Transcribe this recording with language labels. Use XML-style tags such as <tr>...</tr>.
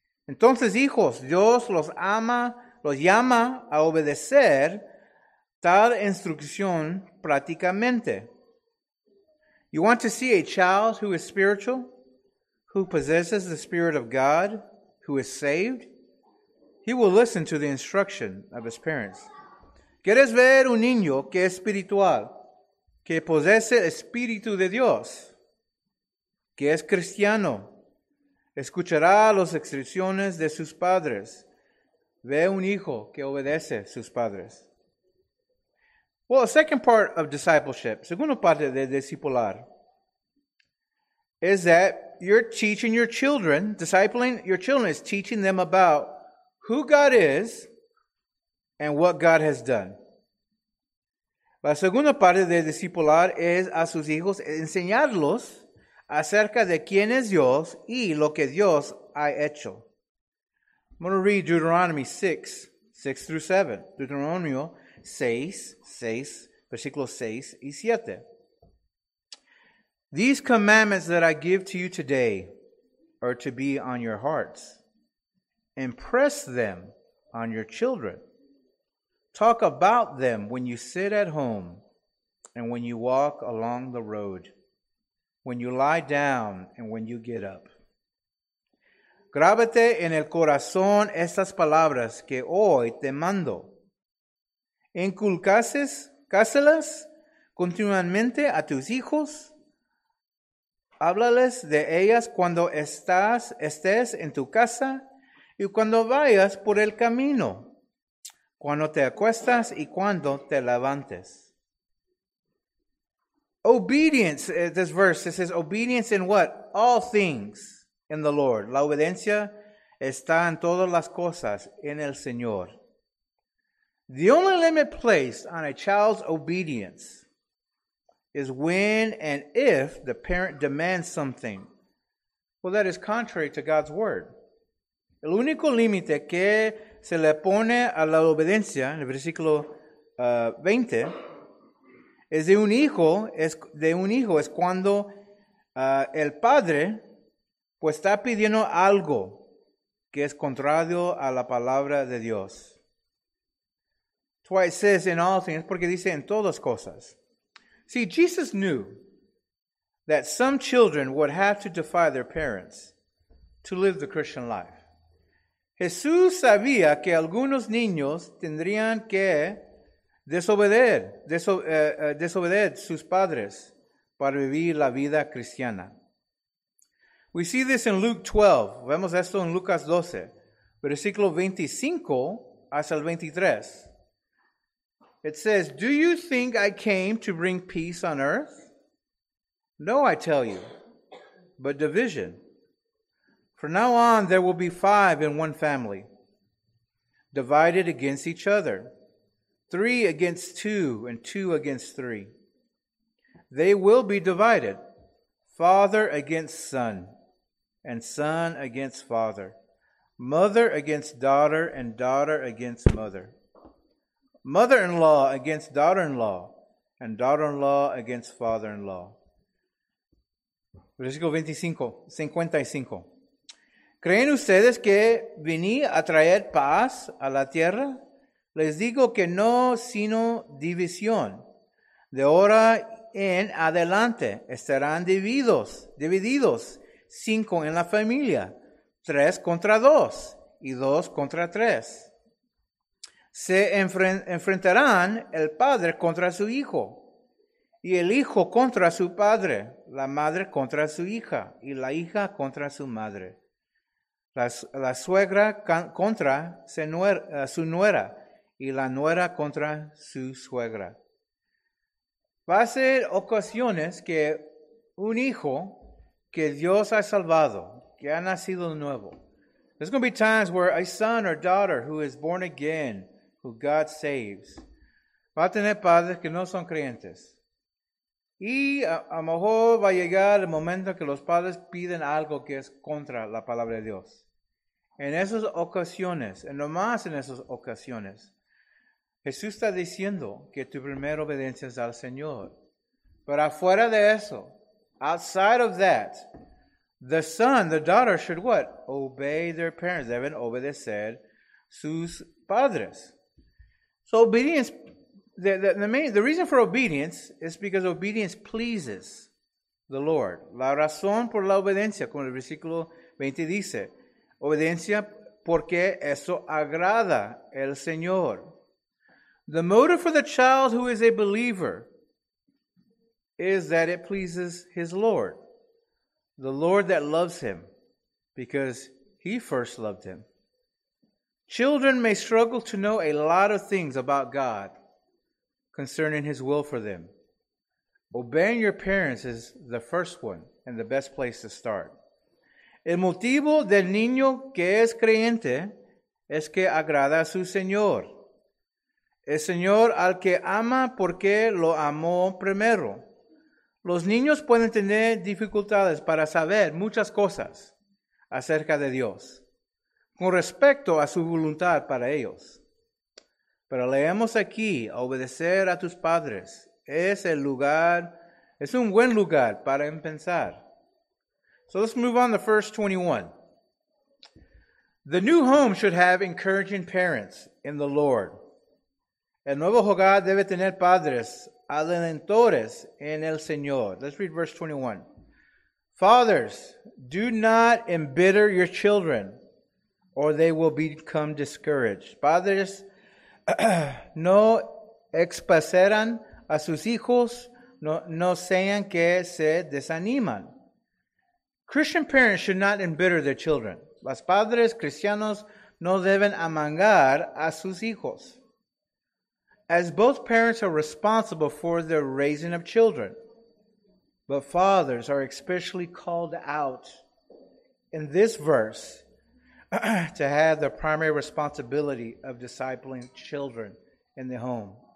<es>Entonces, hijos, Dios los llama a obedecer tal instrucción prácticamente.</es> <en>You want to see a child who is spiritual, who possesses the Spirit of God, who is saved? He will listen to the instruction of his parents.</en> <es>¿Quieres ver un niño que es espiritual, que posee el Espíritu de Dios, que es cristiano? escuchará las instrucciones de sus padres. Ve un hijo que obedece sus padres.</es> <en>Well, a second part of discipleship,</en> <es>segunda parte de discipular,</es> <en>is that you're teaching your children, discipling your children is teaching them about who God is and what God has done.</en> <es>La segunda parte de discipular es a sus hijos enseñarlos acerca de quién es Dios y lo que Dios ha hecho.</es> <en>I'm going to read Deuteronomy 6, 6 through 7. Deuteronomy 6, 6,</en> <es>versículos 6 y 7.</es> <en>These commandments that I give to you today are to be on your hearts. Impress them on your children. Talk about them when you sit at home and when you walk along the road, when you lie down and when you get up.</en> <es>Grábate en el corazón estas palabras que hoy te mando. Inculcáselas continuamente a tus hijos. Háblales de ellas cuando estés en tu casa y cuando vayas por el camino, cuando te acuestas y cuando te levantes.</es> <en>Obedience, this verse, it says, obedience in what? All things in the Lord.</en> <es>La obediencia está en todas las cosas en el Señor.</es> <en>The only limit placed on a child's obedience is when and if the parent demands something. Well, that is contrary to God's word.</en> <es>El único límite que se le pone a la obediencia, en el versículo 20, es de un hijo, es cuando el padre pues está pidiendo algo que es contrario a la palabra de Dios.</es> <en>Twice says in all things,</en> <es>porque dice en todas cosas.</es> <en>See, Jesus knew that some children would have to defy their parents to live the Christian life.</en> <es>Jesús sabía que algunos niños tendrían que desobedecer sus padres para vivir la vida cristiana.</es> <en>We see this in Luke 12.</en> <es>Vemos esto en Lucas 12, versículo 25 hasta el 23.</es> <en>It says, "Do you think I came to bring peace on earth? No, I tell you, but division. From now on, there will be five in one family, divided against each other, three against two and two against three. They will be divided, father against son and son against father, mother against daughter and daughter against mother, mother-in-law against daughter-in-law and daughter-in-law against father-in-law."</en> <es>Versículo 55. ¿Creen ustedes que vení a traer paz a la tierra? Les digo que no, sino división. De ahora en adelante estarán divididos, cinco en la familia, tres contra dos y dos contra tres. Se enfrentarán el padre contra su hijo y el hijo contra su padre, la madre contra su hija y la hija contra su madre. La suegra contra su nuera y la nuera contra su suegra. Va a ser ocasiones que un hijo que Dios ha salvado, que ha nacido de nuevo.</es> <en>There's going to be times where a son or daughter who is born again, who God saves,</en> <es>va a tener padres que no son creyentes. Y a lo mejor va a llegar el momento que los padres piden algo que es contra la palabra de Dios. En esas ocasiones, y no más en esas ocasiones, Jesús está diciendo que tu primera obediencia es al Señor. Pero afuera de eso,</es> <en>outside of that, the son, the daughter should what? Obey their parents.</en> <es>Deben obedecer sus padres.</es> <en>So obedience, the reason for obedience is because obedience pleases the Lord.</en> <es>La razón por la obediencia, como el versículo 20 dice, obediencia porque eso agrada el Señor.</es> <en>The motive for the child who is a believer is that it pleases his Lord, the Lord that loves him because he first loved him. Children may struggle to know a lot of things about God concerning his will for them. Obeying your parents is the first one and the best place to start.</en> <es>El motivo del niño que es creyente es que agrada a su Señor. El Señor al que ama porque lo amó primero. Los niños pueden tener dificultades para saber muchas cosas acerca de Dios con respecto a su voluntad para ellos. Pero leemos aquí, obedecer a tus padres es el lugar, es un buen lugar para empezar.</es> <en>So let's move on to verse 21. The new home should have encouraging parents in the Lord.</en> <es>El nuevo hogar debe tener padres alentadores en el Señor.</es> <en>Let's read verse 21. Fathers, do not embitter your children, or they will become discouraged.</en> <es>Padres, no expaseran a sus hijos, no sean que se desaniman.</es> <en>Christian parents should not embitter their children.</en> <es>Los padres cristianos no deben amargar a sus hijos.</es> <en>As both parents are responsible for the raising of children, but fathers are especially called out in this verse to have the primary responsibility of discipling children in the home.</en>